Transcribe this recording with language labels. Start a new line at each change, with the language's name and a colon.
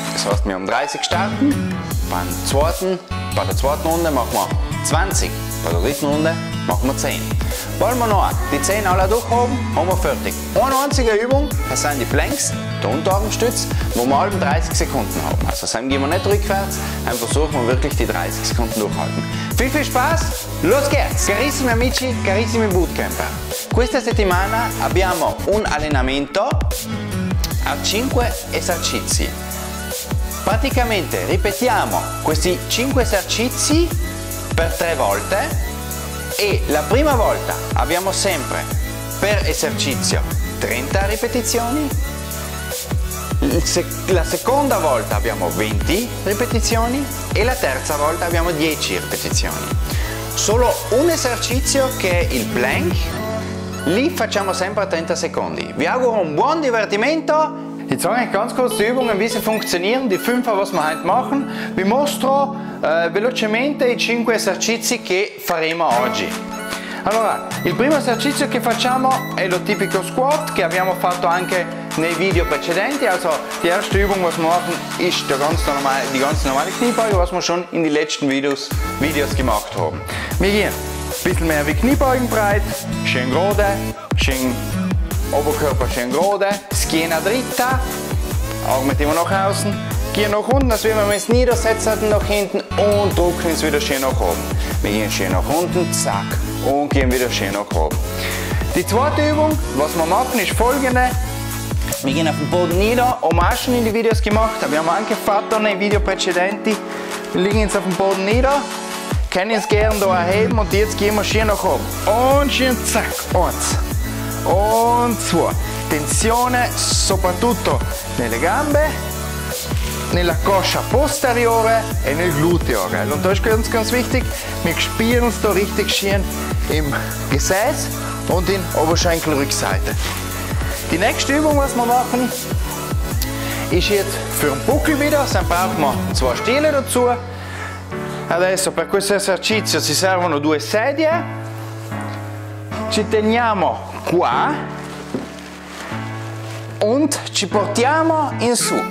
German: Das heißt, wir haben 30 starten, bei der zweiten Runde machen wir 20, bei der dritten Runde machen wir 10. Wollen wir noch die 10 alle durch haben, haben wir fertig. Eine einzige Übung, das sind die Planks, der Unterarmstütz, wo wir alle 30 Sekunden haben. Also dann gehen wir nicht rückwärts, dann versuchen wir wirklich die 30 Sekunden durchhalten. Viel, viel Spaß, los geht's!
Italian: Carissimi amici, carissimi bootcamper. Questa settimana abbiamo un allenamento a 5 esercizi. Praticamente ripetiamo questi 5 esercizi per 3 volte e la prima volta abbiamo sempre per esercizio 30 ripetizioni, la seconda volta abbiamo 20 ripetizioni e la terza volta abbiamo 10 ripetizioni. Solo un esercizio che è il plank, lì facciamo sempre 30 secondi. Vi auguro un buon divertimento!
German: Ich zeige euch ganz kurz die Übungen, wie sie funktionieren, die 5, was wir heute machen.
Italian: Vi mostro velocemente i 5 esercizi che faremo oggi. Allora, il primo esercizio che facciamo è lo tipico squat, che abbiamo fatto anche nei video precedenti.
German: Also, die erste Übung, was wir machen, ist die ganz normale Kniebeuge, was wir schon in den letzten Videos gemacht haben. Wir gehen ein bisschen mehr wie Kniebeugenbreit, schön gerade, schön Oberkörper schön gerade,
Italian: Schiena dritta,
German: Augen mit immer nach außen, gehen nach unten, als wenn wir uns niedersetzen nach hinten und drücken uns wieder schön nach oben. Wir gehen schön nach unten, zack, und gehen wieder schön nach oben. Die zweite Übung, was wir machen, ist folgende. Wir gehen auf den Boden nieder, haben auch schon in die Videos gemacht, haben wir auch gefahrt in den Videos präzedenti. Wir liegen jetzt auf dem Boden nieder, können uns gerne da erheben und jetzt gehen wir schön nach oben. Und schön, zack, eins. Und zwei.
Italian: Tensione soprattutto nelle gambe, nella coscia posteriore e nel gluteo.
German: Geil? Und da ist ganz, ganz wichtig, wir spielen uns da richtig schön im Gesäß und in Oberschenkelrückseite. Die nächste Übung, was wir machen, ist jetzt für den Buckel wieder. Dann brauchen wir zwei Stiele dazu.
Italian: Adesso per questo esercizio ci servono due sedie. Ci teniamo qua und ci portiamo in su.